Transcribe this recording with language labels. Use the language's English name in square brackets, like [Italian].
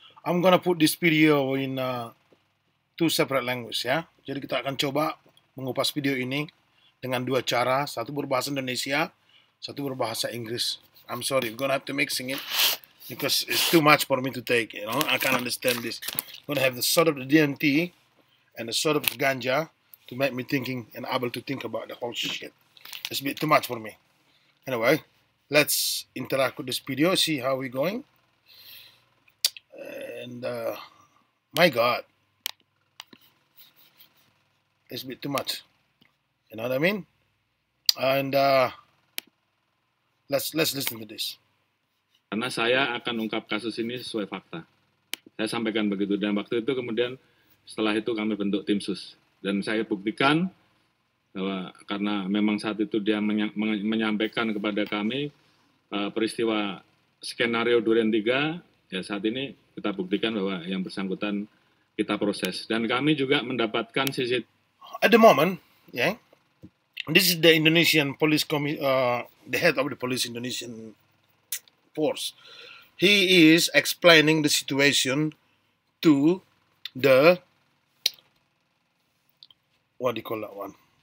[English] I'm going to put this video in two separate languages, ya. [Indonesian] Jadi kita akan coba mengupas video ini dengan dua cara. Satu berbahasa Indonesia, satu berbahasa Inggris. [English] I'm sorry, we're going to have to mixing it because it's too much for me to take, you know. I can't understand this. I'm going to have the sort of the DMT and the sort of the ganja to make me thinking and able to think about the whole shit. It's a bit too much for me. Anyway, let's interact with this video, see how we're going. And, my God. It's a bit too much. You know what I mean? And, let's listen to this. [Indonesian] Karena saya akan ungkap kasus ini sesuai fakta. Saya sampaikan begitu. Dan waktu itu kemudian, setelah itu kami bentuk tim sus. Dan saya buktikan, karena memang saat itu dia menyampaikan kepada kami peristiwa skenario Duren 3, ya saat ini kita buktikan bahwa yang bersangkutan kita proses. Dan kami juga mendapatkan CCTV. [English] At the moment, yeah, this is the Indonesian police, the head of the police Indonesian force. He is explaining the situation to the, what do you call that one?